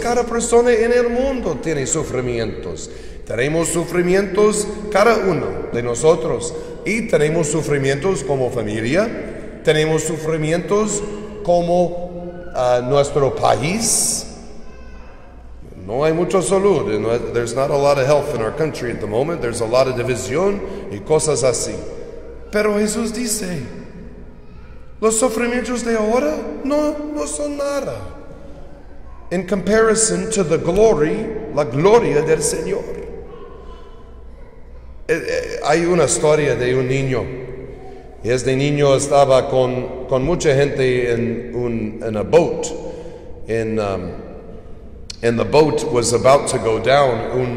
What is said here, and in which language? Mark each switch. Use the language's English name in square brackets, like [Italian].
[Spanish] Cada persona en el mundo tiene sufrimientos. Tenemos sufrimientos cada uno de nosotros. Y tenemos sufrimientos como familia. Tenemos sufrimientos como nuestro país. No hay mucha salud. [English] There's not a lot of health in our country at the moment. There's a lot of division [Spanish] y cosas así. Pero Jesús dice, los sufrimientos de ahora no son nada. [English] In comparison to the glory, [Spanish] la gloria del Señor. Hay una historia de un niño. Y este niño estaba con mucha gente en [English] a boat. And the boat was about to go down.